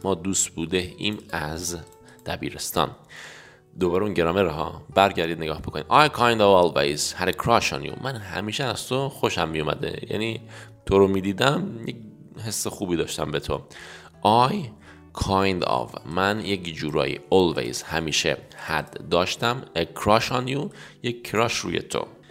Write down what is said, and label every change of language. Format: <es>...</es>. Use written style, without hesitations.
<fa>ما دوست بوده ایم از دبیرستان. دوباره اون گرامرها برگردید نگاه بکنید.</fa> <en>I kind of always had a crush on you.</en> <fa>من همیشه از تو خوشم میومده، یعنی تو رو میدیدم یک حس خوبی داشتم به تو.</fa> <en>I kind of،</en> <fa>من یک جورایی</fa> <en>always</en> <fa>همیشه</fa> <en>had</en> <fa>داشتم</fa> <en>a crush on you،</en> <fa>یک</fa> <en>crush</en> <fa>روی تو.</fa>